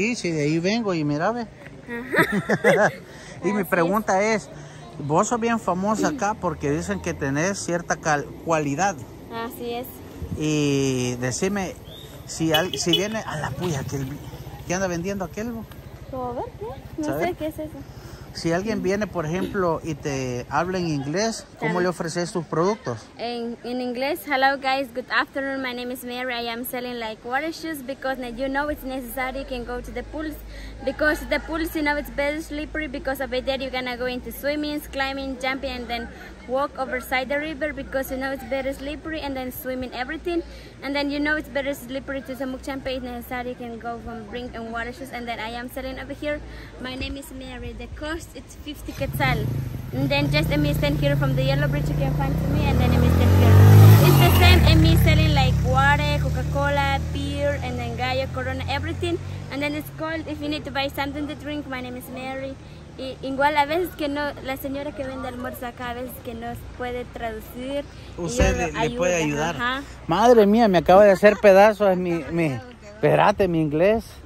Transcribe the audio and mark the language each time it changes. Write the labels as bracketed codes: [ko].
[es] Sí, sí, de ahí vengo y mira, ve. Ajá. Y así mi pregunta es, vos sos bien famosa acá porque dicen que tenés cierta cualidad. Así es. Y decime, si viene a la puya, ¿qué anda vendiendo aquel? ¿Cómo ver qué? ¿Sabe? No sé qué es eso. Si alguien viene, por ejemplo, y te habla en inglés, ¿cómo le ofreces tus productos? [en] En inglés, hello guys, good afternoon, my name is Mary, I am selling like water shoes because you know it's necessary, you can go to the pools, because the pools, you know, it's very slippery, because over there you're gonna go into swimming, climbing, jumping, and then walk overside the river, because you know it's very slippery, and then swimming, everything, and then you know it's very slippery to Semuc Champey, it's necessary, you can go from bring and water shoes, and then I am selling over here, my name is Mary, the cost, it's 50 quetzal, and then just let me stand here from the yellow bridge, you can find to me, and then let me stand here. It's the same, and me selling like water, Coca-Cola, beer, and then Gallo, Corona, everything. And then it's cold, if you need to buy something to drink, my name is Mary. [es] Y igual a veces que no, la señora que vende almuerzo acá, a veces que no puede traducir. Usted le puede ayudar. Ajá. Madre mía, me acaba de hacer pedazo, es mi perate, mi inglés.